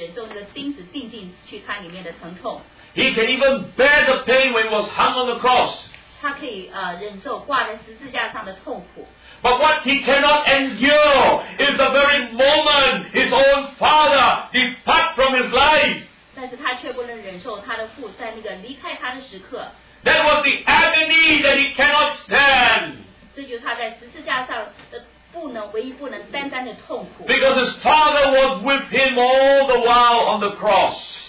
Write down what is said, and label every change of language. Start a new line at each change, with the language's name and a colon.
Chinese: 他可以忍受39次的鞭打,可以忍受那个钉子钉进去他里面的疼痛。
English: He can even bear the pain when he was hung on the cross.
Chinese: 他可以忍受挂在十字架上的痛苦。
English: But what he cannot endure is the very moment his own father depart from his life. That was the agony that he cannot stand. Because his father was with him all the while on the cross.